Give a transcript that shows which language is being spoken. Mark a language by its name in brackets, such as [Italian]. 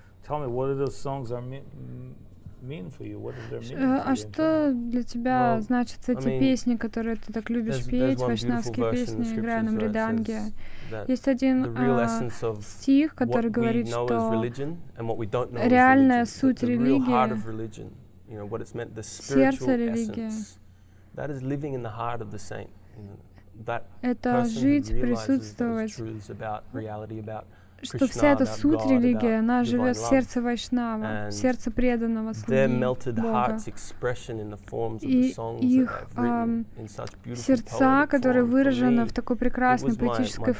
[English] Tell me, what are those songs are mean for you? What is their meaning? [Russian] А что для тебя значат эти песни, которые ты так любишь петь, вайшнавские песни, играя на мриданге? Есть один стих, который говорит, что реальная суть религии, [English] you know, what it's meant, the spiritual essence. That is living in the heart of the saint. That person who realizes those truths about reality, about Krishna, about God, about divine love. And their melted heart's expression in the forms of the songs that they've written in such beautiful poetic form.